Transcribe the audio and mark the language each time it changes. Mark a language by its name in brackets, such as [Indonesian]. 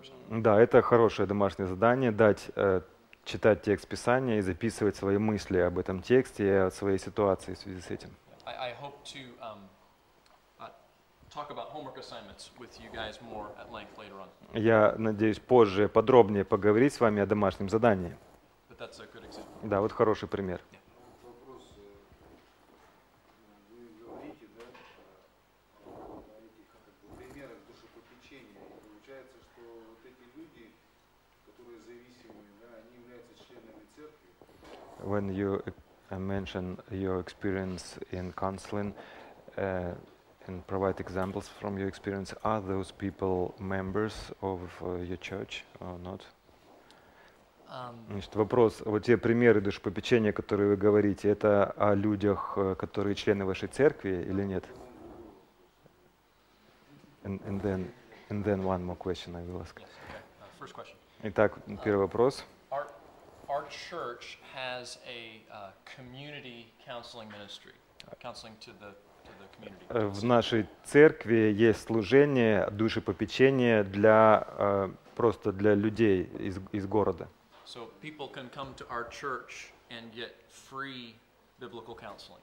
[Russian] Да, это хорошее домашнее задание, дать читать текст Писания и записывать свои мысли об этом тексте и о своей ситуации в связи с этим. [English] I hope to talk about homework assignments with you guys more at length later on. [Russian] Я надеюсь позже подробнее поговорить с вами о домашнем задании. [English] But that's a good example. [Russian] Да, вот хороший пример. [English] When you mention your experience in counseling and provide examples from your experience, are those people members of your church or not? [Russian] Значит, вопрос, вот те примеры душепопечения, которые вы говорите, это о людях, которые члены вашей церкви или нет? [English] And then one more question I will ask. Yes, okay. First question. [Russian] Итак, первый вопрос. [English] Our church has a community counseling ministry, counseling to the community. [Russian] В нашей церкви есть служение душепопечения для просто для людей из города. [English] So people can come to our church and get free biblical counseling.